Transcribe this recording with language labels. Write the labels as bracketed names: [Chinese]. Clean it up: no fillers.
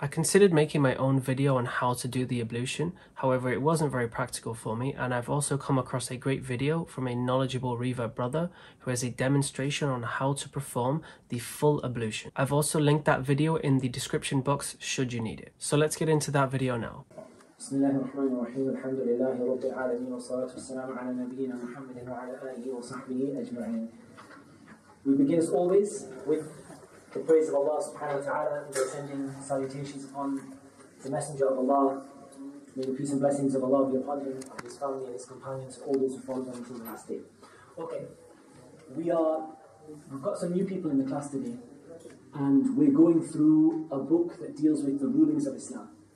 [English] I considered making my own video on how to do the ablution, however it wasn't very practical for me, and I've also come across a great video from a knowledgeable Revert brother who has a demonstration on how to perform the full ablution. I've also linked that video in the description box should you need it. So let's get into that video now. [Arabic] بسم الله الرحمن الرحيم الحمد لله رب العالمين والصلاة والسلام على نبينا محمد وعلى آله وصحبه أجمعين. [English] We begin as always with the praise of Allah subhanahu wa ta'ala. We are sending salutations upon the Messenger of Allah. May the peace and blessings of Allah be upon him, his family and his companions, all those who follow him until the last day. Okay, we've got some new people in the class today, and we're going through a book that deals with the rulings of Islam.